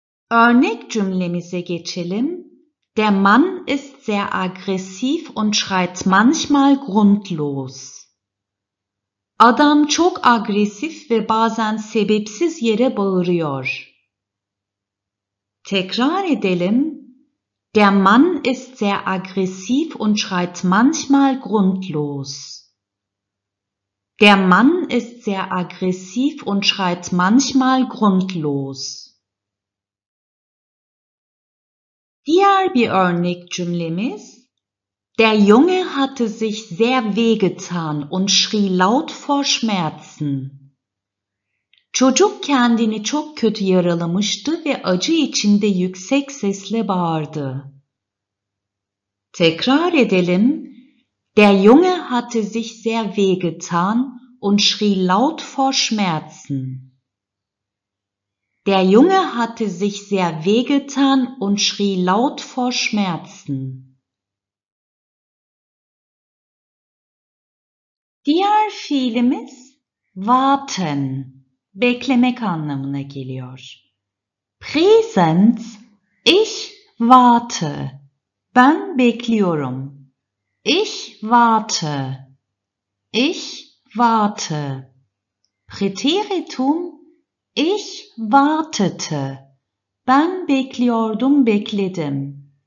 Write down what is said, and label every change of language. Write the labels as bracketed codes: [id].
[tr] Örnek cümlemize geçelim. [de] Der Mann ist sehr aggressiv und schreit manchmal grundlos. [tr] Adam çok agresif ve bazen sebepsiz yere bağırıyor. Tekrar edelim. [de] Der Mann ist sehr aggressiv und schreit manchmal grundlos. Der Mann ist sehr aggressiv und schreit manchmal grundlos. [tr] Diğer bir örnek cümlemiz. [de] Der Junge hatte sich sehr wehgetan und schrie laut vor Schmerzen. [tr] Çocuk kendini çok kötü yaralamıştı ve acı içinde yüksek sesle bağırdı. Tekrar edelim. [de] Der Junge hatte sich sehr wehgetan und schrie laut vor Schmerzen. Der Junge hatte sich sehr wehgetan und schrie laut vor Schmerzen. [tr] Diğer fiilimiz warten, beklemek anlamına geliyor. [de] Präsens, ich warte. [tr] Ben bekliyorum. [de] Ich warte. Ich warte. Präteritum, ich wartete. [tr] Ben bekliyordum, bekledim.